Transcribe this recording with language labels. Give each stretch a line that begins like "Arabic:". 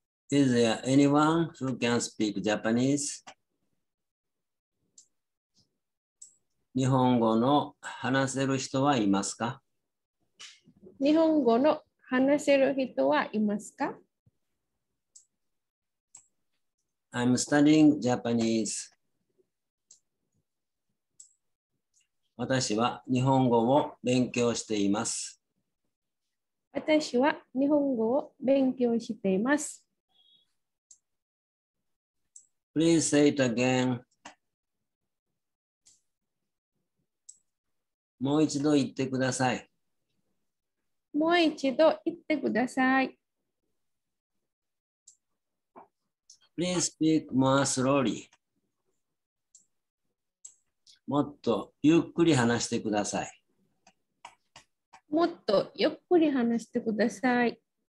English: Is there anyone who can speak Japanese?
Japanese: 日本語の話せる人はいますか？日本語の話せる人はいますか？
English: I'm studying Japanese.
Japanese: 私は日本語を勉強しています。私は日本語を勉強しています。
English: Please say it again.
Japanese: もう一度言ってください。もう一度言ってください。
English: Please speak more slowly.
Japanese: もっとゆっくり話してください。もっとゆっくり話してください。